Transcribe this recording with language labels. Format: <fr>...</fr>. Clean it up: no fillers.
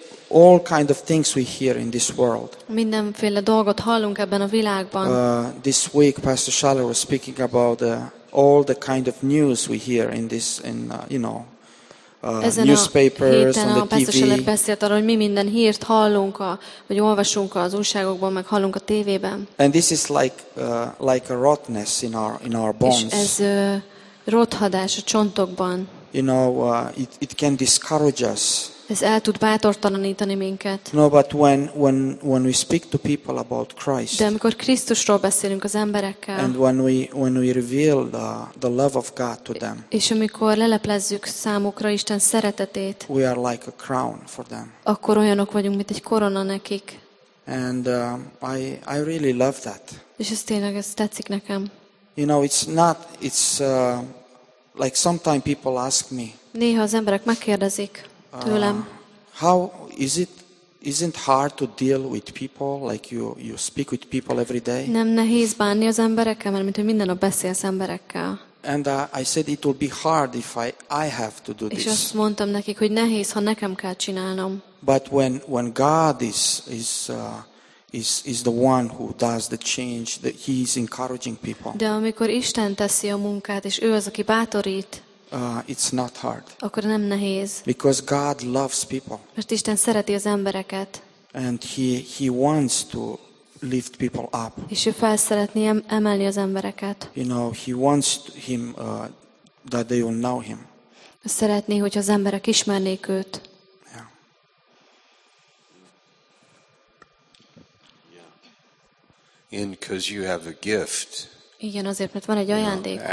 <en>All kind of things we hear in this world.</en> <hu>Mindenféle dolgot hallunk ebben a világban.</hu> <en>This week Pastor Schaller was speaking about all the kind of news we hear in this, in you know,</en> <hu>ezen</hu> <en>newspapers, on the TV.</en> <hu>Pastor beszélt arról, hogy mi minden hírt hallunk, vagy olvasunk az újságokban, meg hallunk a tévében.</hu> <en>And this is like a rottenness in our bones.</en> <hu>És ez rothadás a csontokban.</hu> <en>You know, it can discourage us.</en> <hu>Ez el tud bátortalanítani minket.</hu> <en>No, but when we speak to people about Christ.</en> <hu>De amikor Krisztusról beszélünk az emberekkel.</hu> <en>And when we reveal the love of God to them.</en> <hu>És amikor leleplezzük számukra Isten szeretetét.</hu> <en>We are like a crown for them.</en> <hu>Akkor olyanok vagyunk, mint egy korona nekik.</hu> <en>And I really love that.</en> <hu>És ez tényleg tetszik nekem.</hu> <en>You know, it's like sometimes people ask me.</en> <hu>Néha az emberek megkérdezik. Tőlem.</hu> <en>How is it? Isn't hard to deal with people like you speak with people every day?</en> <hu>Nem nehéz bánni az emberekkel, mert mintha minden nap beszélsz emberekkel.</hu> <en>And I said it will be hard if I have to do this.</en> <hu>És azt mondtam nekik, hogy nehéz, ha nekem kell csinálnom.</hu> <en>But when God is the one who does the change, that He is encouraging people.</en> <hu>De amikor Isten teszi a munkát, és ő az, aki bátorít.</hu> <en>It's not hard.</en> <hu>Akkor nem nehéz.</hu> <en>Because God loves people.</en> <hu>Mert Isten szereti az embereket.</hu> <en>And he wants to lift people up.</en> <hu>És ő fel szeretné emelni az embereket.</hu> <en>You know, he wants him that they will know him.</en> <hu>szeretné, hogy az emberek ismernék őt.</hu> <en>And because you have a gift.</en> <hu>Igen, azért, mert van egy ajándékod.</hu>